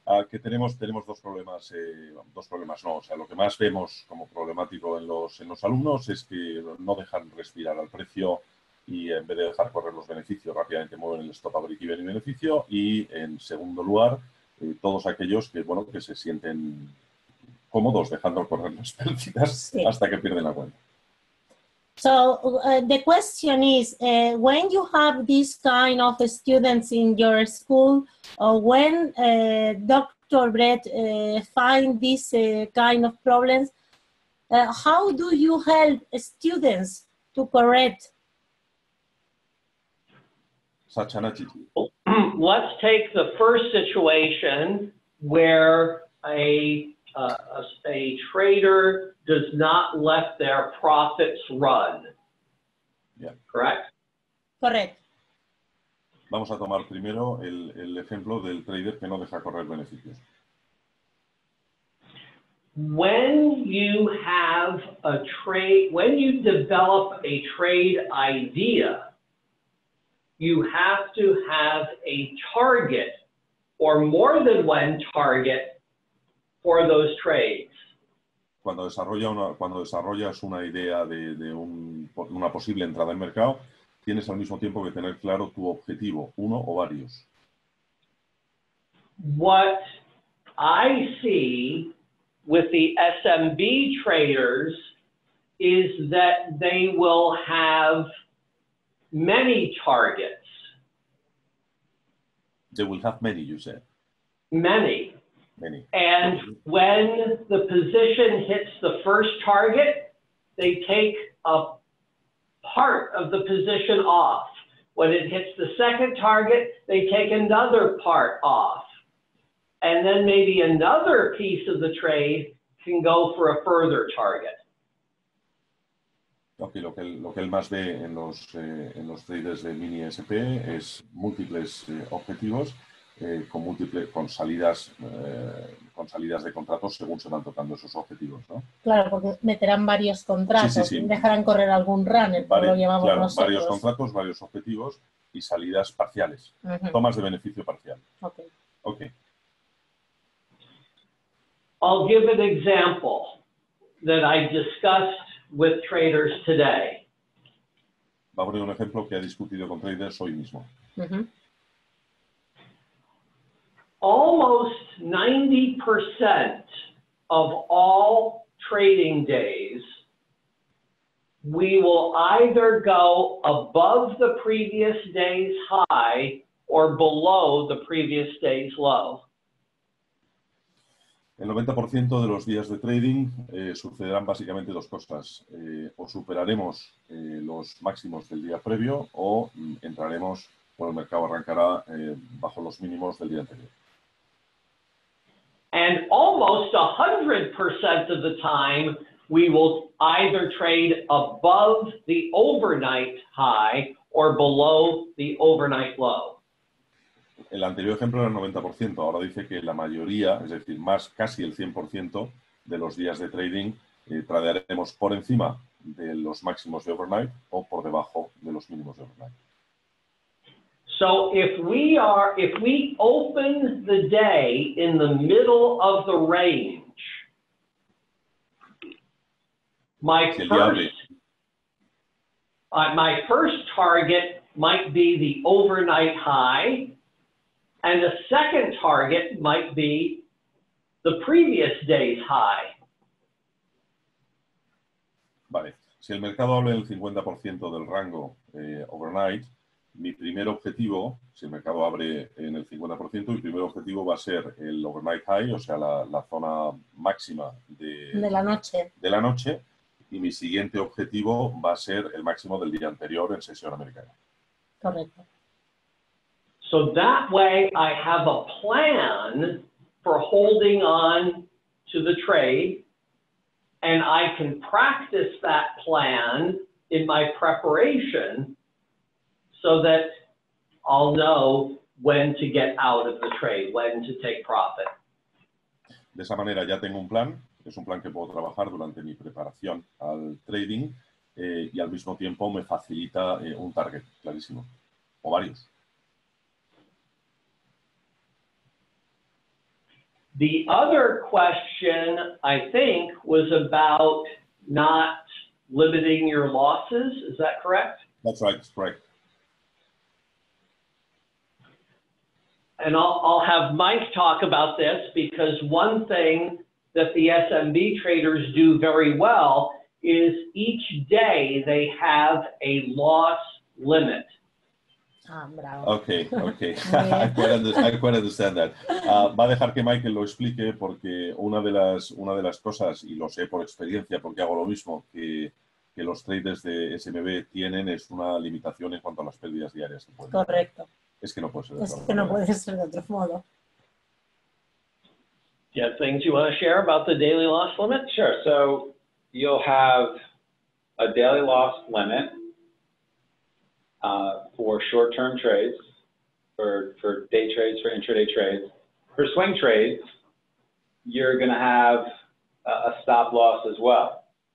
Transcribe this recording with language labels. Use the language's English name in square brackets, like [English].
[Spanish] Que tenemos dos problemas, o sea, lo que más vemos como problemático en los alumnos es que no dejan respirar al precio y en vez de dejar correr los beneficios rápidamente mueven el stop a break even y beneficio, y en segundo lugar todos aquellos que, bueno, que se sienten cómodos dejando correr las pérdidas hasta que pierden la cuenta. [English] So the question is, when you have this kind of students in your school, or when Dr. Brett find this kind of problems, how do you help students to correct? Such an attitude. Let's take the first situation where a trader does not let their profits run. Yeah. Correct? Correct. [Spanish] Vamos a tomar primero el ejemplo del trader que no deja correr beneficios. [English] When you have a trade, when you develop a trade idea, you have to have a target, or more than one target, for those trades. [Spanish] Cuando desarrollas una idea de una posible entrada en mercado, tienes al mismo tiempo que tener claro tu objetivo, uno o varios. [English] What I see with the SMB traders is that they will have many targets. They will have many, you said. Many. And when the position hits the first target, they take a part of the position off. When it hits the second target, they take another part off. And then maybe another piece of the trade can go for a further target. [Spanish] Okay, lo que él más ve en los traders de mini SP es múltiples objetivos. Con salidas de contratos según se van tocando esos objetivos, ¿no? Claro, porque meterán varios contratos, sí. Dejarán correr algún runner, lo llamamos claro, nosotros. Varios contratos, varios objetivos y salidas parciales, uh-huh. Tomas de beneficio parcial. [English] Okay. I'll give an example that I discussed with traders today. [Spanish] Va a poner un ejemplo que ha discutido con traders hoy mismo. Uh-huh. [English] Almost 90% of all trading days, we will either go above the previous day's high or below the previous day's low. [Spanish] El 90% de los días de trading sucederán básicamente dos cosas. O superaremos los máximos del día previo o entraremos, o el mercado arrancará bajo los mínimos del día anterior. [English] And almost 100% of the time, we will either trade above the overnight high or below the overnight low. [Spanish] El anterior ejemplo era el 90%. Ahora dice que la mayoría, es decir, más casi el 100% de los días de trading, tradearemos por encima de los máximos de overnight o por debajo de los mínimos de overnight. [English] So if we open the day in the middle of the range, my first target might be the overnight high, and the second target might be the previous day's high. [Spanish] Vale. Si el mercado abre el 50% del rango overnight, mi primer objetivo, si el mercado abre en el 50%, mi primer objetivo va a ser el overnight high, o sea, la zona máxima de la noche, y mi siguiente objetivo va a ser el máximo del día anterior en sesión americana. Correcto. [English] So that way I have a plan for holding on to the trade and I can practice that plan in my preparation so that I'll know when to get out of the trade, when to take profit. [Spanish] De esa manera ya tengo un plan, es un plan que puedo trabajar durante mi preparación al trading y al mismo tiempo me facilita un target, clarísimo, o varios. [English] The other question, I think, was about not limiting your losses. Is that correct? That's right. That's correct. And I'll have Mike talk about this, because one thing that the SMB traders do very well is each day they have a loss limit. Bravo. Okay. I quite understand that. [Spanish] Va a dejar que Michael lo explique porque una de las cosas, y lo sé por experiencia porque hago lo mismo, que los traders de SMB tienen es una limitación en cuanto a las pérdidas diarias. Que correcto. Es que no puede ser de otro modo. Es que no puede ser de otro modo. [English] Do you have things you want to share about the daily loss limit? Sure. So you'll have a daily loss limit. For short-term trades, for day trades, for intraday trades. For swing trades, you're going to have a stop loss as well.